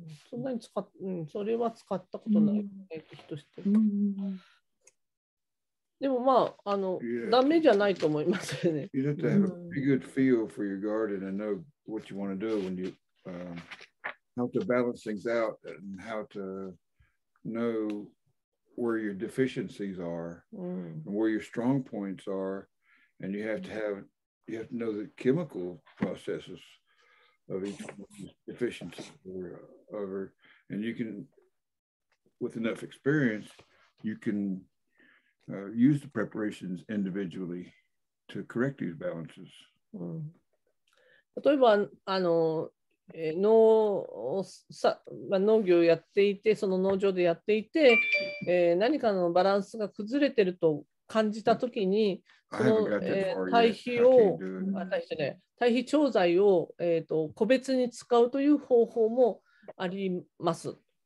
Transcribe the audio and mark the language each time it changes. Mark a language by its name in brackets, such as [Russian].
[Japanese] そんなに使っ、それは使ったことない。として。でもまあ、あの、ダメじゃないと思いますよね。 [English] You have to have a pretty good feel for your garden and know what you want to do when you, how to balance things out and how to know. Where your deficiencies are, and where your strong points are, and you have to have, you have to know the chemical processes of each deficiency over, and you can, with enough experience, you can use the preparations individually to correct these balances. For example, [Japanese] 農業をやっていて、その農場でやっていて、何かのバランスが崩れてると感じたときに、その、堆肥を、堆肥調剤を、個別に使うという方法もあります。